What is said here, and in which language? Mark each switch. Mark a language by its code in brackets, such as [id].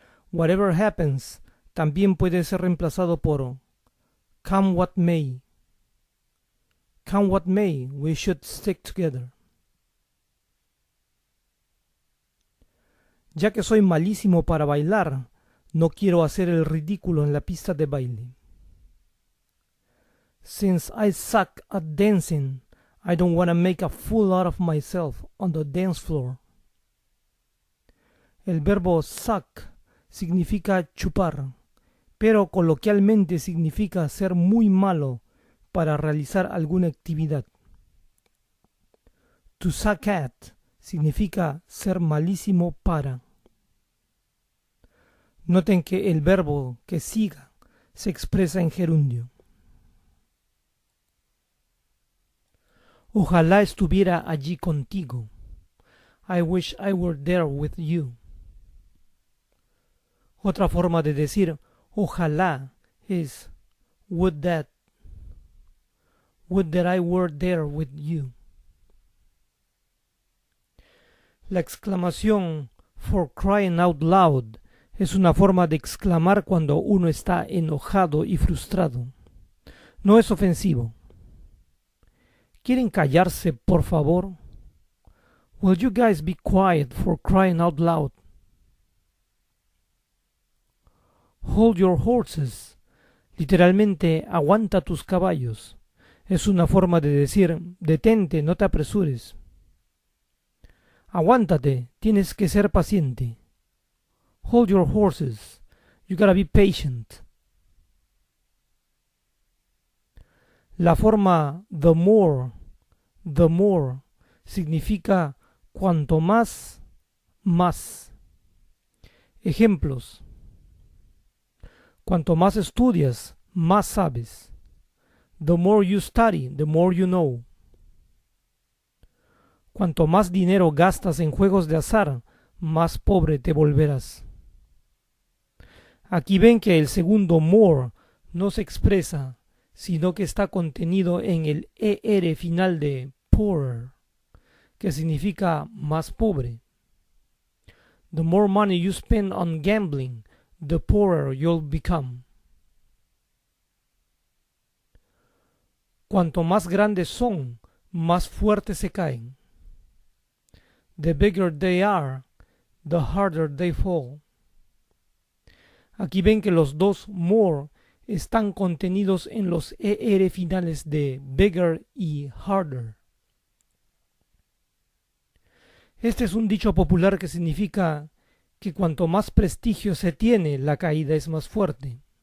[en] Whatever happens, [es] también puede ser reemplazado por [en] come what may. Come what may, we should stick together. [es] Ya que soy malísimo para bailar, no quiero hacer el ridículo en la pista de baile. [en] Since I suck at dancing, I don't want to make a fool out of myself on the dance floor. [es] El verbo suck significa chupar, pero coloquialmente significa ser muy malo para realizar alguna actividad. To suck at significa ser malísimo para. Noten que el verbo que siga se expresa en gerundio. Ojalá estuviera allí contigo. [en] I wish I were there with you. [es] Otra forma de decir ojalá es [en] would that I were there with you. [es] La exclamación [en] for crying out loud [es] es una forma de exclamar cuando uno está enojado y frustrado. No es ofensivo. ¿Quieren callarse, por favor? [en] Will you guys be quiet for crying out loud? Hold your horses. [es] Literalmente, aguanta tus caballos. Es una forma de decir, detente, no te apresures. Aguántate, tienes que ser paciente. [en] Hold your horses. You gotta be patient. [es] La forma the more, significa cuanto más, más. Ejemplos. Cuanto más estudias, más sabes. [en] The more you study, the more you know. [es] Cuanto más dinero gastas en juegos de azar, más pobre te volverás. Aquí ven que el segundo more no se expresa, sino que está contenido en el er final de poorer, que significa más pobre. [en] The more money you spend on gambling, the poorer you'll become. [es] Cuanto más grandes son, más fuertes se caen. [en] The bigger they are, the harder they fall. [es] Aquí ven que los dos more están contenidos en los er finales de bigger y harder. Este es un dicho popular que significa que cuanto más prestigio se tiene, la caída es más fuerte.